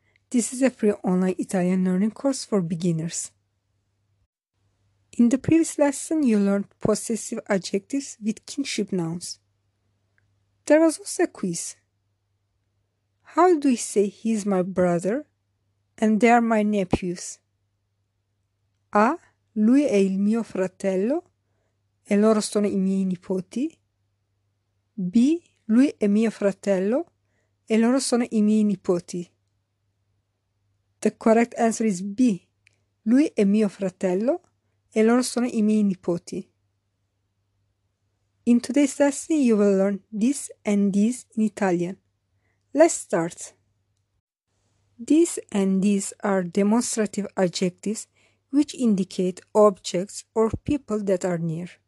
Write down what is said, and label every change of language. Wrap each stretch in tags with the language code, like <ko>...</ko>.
<en>This is a free online Italian learning course for beginners. In the previous lesson, you learned possessive adjectives with kinship nouns. There was also a quiz. How do we say he is my brother and they are my nephews? A.</en> <it>Lui è il mio fratello e loro sono i miei nipoti. B. Lui è mio fratello e loro sono i miei nipoti.</it> <en>The correct answer is B.</en> <it>Lui è mio fratello e loro sono i miei nipoti.</it> <en>In today's lesson, you will learn this and these in Italian. Let's start. These and these are demonstrative adjectives which indicate objects or people that are near.</en>